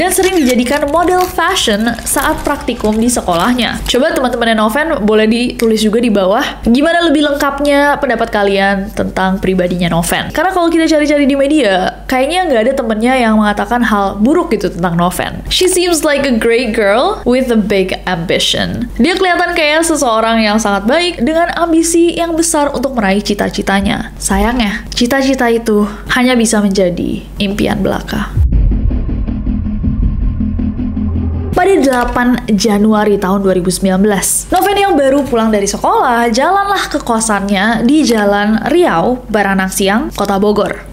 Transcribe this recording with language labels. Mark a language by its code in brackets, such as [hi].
[id] Dan sering dijadikan model fashion saat praktikum di sekolahnya. Coba teman-temannya Noven boleh ditulis juga di bawah, gimana lebih lengkapnya pendapat kalian tentang pribadinya Noven. Karena kalau kita cari-cari di media, kayaknya nggak ada temennya yang mengatakan hal buruk gitu tentang Noven. [en] She seems like a great girl with a big ambition. [id] Dia kelihatan kayak seseorang yang sangat baik dengan ambisi yang besar untuk meraih cita-citanya. Sayangnya, cita-cita itu hanya bisa menjadi impian belaka. Pada 8 Januari tahun 2019, Noven yang baru pulang dari sekolah jalanlah ke kosannya di Jalan Riau, Baranang Siang, Kota Bogor.